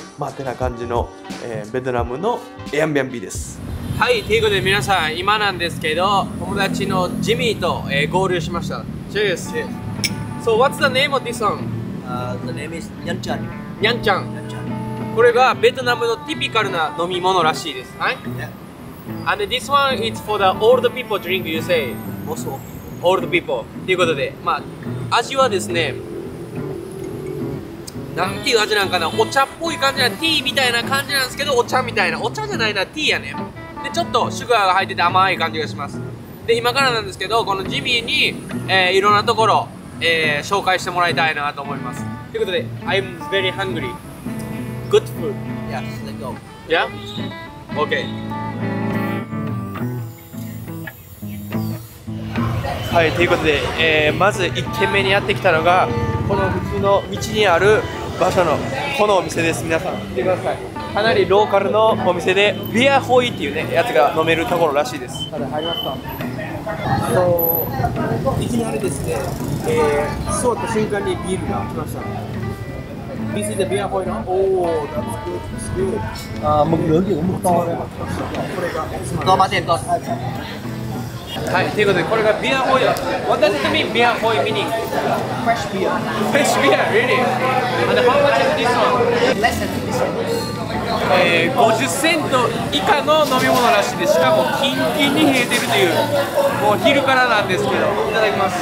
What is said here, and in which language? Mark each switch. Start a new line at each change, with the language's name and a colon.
Japanese: まあてな感じの、ベトナムのエアンビアンビーです。はい、ということで皆さん、今なんですけど友達のジミーと、合流しました。
English: チェース。So what's the name of this one? The name is ニャンチャン。ニャンチャン。
Japanese: これがベトナムのティピカルな飲み物らしいです。はい、 yeah.
English: And this one is for the old people drink, you say? Most old people. Old people.
Japanese: ということで、まあ、味はですね、なんていう味なんかな、お茶っぽい感じな、ティーみたいな感じなんですけど、お茶みたいな、お茶じゃないな、ティーやね。で、ちょっとシュガーが入ってて甘い感じがします。で、今からなんですけど、このジミーに、いろんなところ、紹介してもらいたいなと思います。ということで、
English: I'm very hungry. Good food. Yes, let's go. Yeah? Okay.
Japanese: はい、ということで、まず1軒目にやってきたのがこの普通の道にある場所のこのお店です。皆さん見てください、かなりローカルのお店でビアホイっていうね、やつが飲めるところらしいです。はい、入りました。いきなりですね、座った瞬間にビールが来ました。
English: This is the beer hoi の Oh, that's good, that's good.
Japanese: あー、もう余裕重くたこれがおつまみ。どうも、はい、ということでこれがビアホイだ。
English: What does it mean? ビアホイ meaning? Fresh beer. Fresh beer? Really? And how much is this one? Less than this one.
Japanese: 50セント以下の飲み物らしいです。しかもキンキンに冷えてるという、もう昼からなんですけど、いただきます。